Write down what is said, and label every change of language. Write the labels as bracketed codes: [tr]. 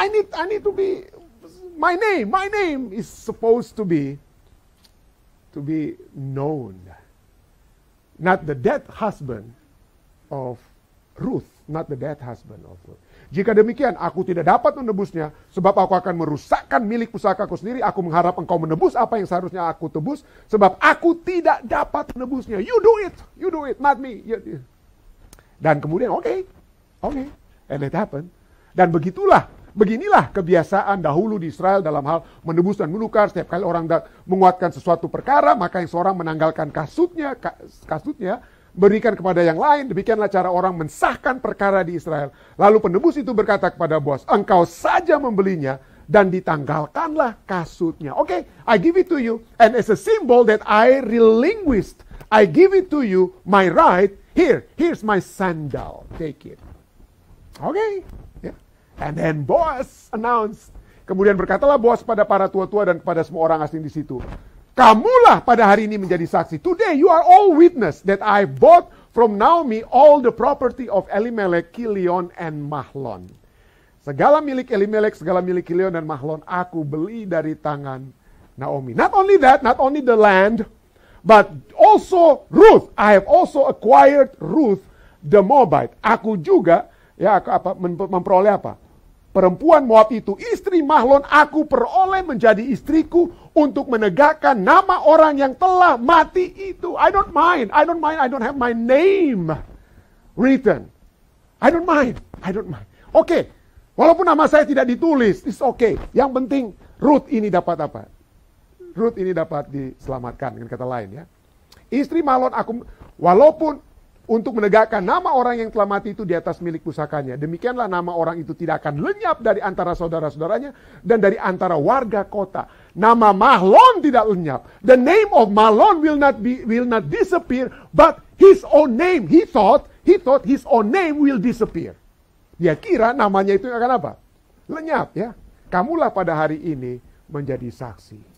[en] I need to be my name is supposed to be known, not the dead husband of Ruth, not the dead husband of Ruth. [id] Jika demikian, aku tidak dapat menebusnya, sebab aku akan merusakkan milik pusakaku sendiri. Aku mengharap engkau menebus apa yang seharusnya aku tebus, sebab aku tidak dapat menebusnya. [en] You do it, not me. You. [id] Dan kemudian, [en] okay, and it happened. [id] Dan beginilah kebiasaan dahulu di Israel dalam hal menebus dan menukar. Setiap kali orang menguatkan sesuatu perkara, maka yang seorang menanggalkan kasutnya, berikan kepada yang lain. Demikianlah cara orang mensahkan perkara di Israel. Lalu penebus itu berkata kepada bos, engkau saja membelinya dan ditanggalkanlah kasutnya. [en] Okay, I give it to you. And as a symbol that I relinquished, I give it to you, my right. Here's my sandal. Take it. Okay. And then Boaz announced. [id] Kemudian berkatalah Boaz kepada para tua-tua dan kepada semua orang asing di situ. Kamulah pada hari ini menjadi saksi. [en] Today you are all witness that I bought from Naomi all the property of Elimelech, Kilion, and Mahlon. [id] Segala milik Elimelech, segala milik Kilion, dan Mahlon aku beli dari tangan Naomi. [en] Not only the land, but also Ruth. I have also acquired Ruth the Moabite. [id] Aku juga memperoleh apa? Perempuan Moab itu, istri Mahlon, aku peroleh menjadi istriku untuk menegakkan nama orang yang telah mati itu. [en] I don't mind, I don't have my name written. I don't mind. Okay, [id] walaupun nama saya tidak ditulis, [en] it's okay. [id] Yang penting, Ruth ini dapat apa? Ruth ini dapat diselamatkan, dengan kata lain ya. Istri Mahlon, aku walaupun untuk menegakkan nama orang yang telah mati itu di atas milik pusakanya. Demikianlah nama orang itu tidak akan lenyap dari antara saudara-saudaranya dan dari antara warga kota. Nama Mahlon tidak lenyap. [en] The name of Mahlon will not disappear, but his own name. He thought his own name will disappear. [id] Dia kira namanya itu akan apa? Lenyap ya. Kamulah pada hari ini menjadi saksi.